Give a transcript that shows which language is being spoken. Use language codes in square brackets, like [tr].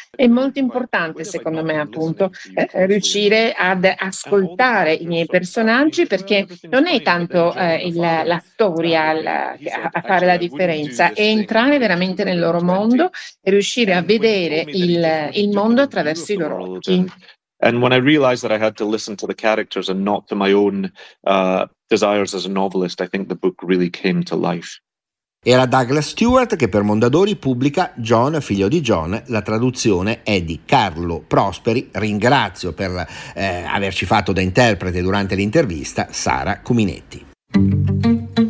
[it] È molto importante, secondo me, appunto, riuscire ad ascoltare i miei personaggi, perché non è tanto la storia a fare la differenza, è entrare veramente nel loro mondo e riuscire a vedere il mondo attraverso i loro occhi. [en] And when I realized that I had to listen to the characters and not to my own desires as a novelist, I think the book really came to life. [it] Era Douglas Stewart che per Mondadori pubblica John, figlio di John, la traduzione è di Carlo Prosperi. Ringrazio per averci fatto da interprete durante l'intervista Sara Cuminetti.